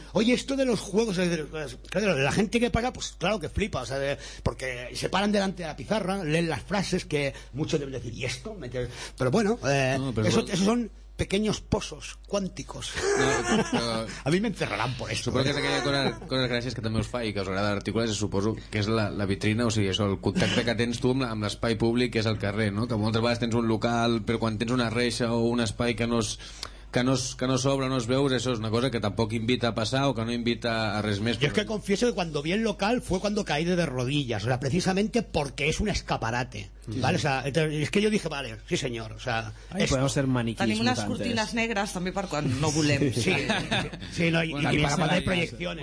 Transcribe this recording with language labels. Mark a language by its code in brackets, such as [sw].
[es] Oye, esto de los juegos, de la gente que paga, pues claro que flipa, o sea, porque se paran delante de la pizarra, leen las frases, que muchos deben decir, ¿y esto? Pero bueno, no, pero... esos son pequeños pozos cuánticos. No, a mí me encerrarán por esto. [ca] Supongo que és aquella cosa gràcies que també us fa i que us agrada d'articulars, suposo que és la vitrina, o sigui, això, el contacte que tens tu amb l'espai públic, que és el carrer, no? Que moltes vegades tens un local, però quan tens una reixa o un espai que no és... Que no s'obre, no es veus, [es] eso es una cosa que tampoco invita a pasar o que no invita a [ca] res més. [es] Yo es que confieso que cuando vi el local fue cuando caí de rodillas, o sea, precisamente porque es un escaparate, ¿vale? Sí, sí. O sea, es que yo dije, vale, sí señor, o sea... Ay, podemos ser maniquís. [ca] Tenim [es] unas cortinas negras también para cuando no [ca] volem. [es] Sí, no, bueno, y para poder proyecciones.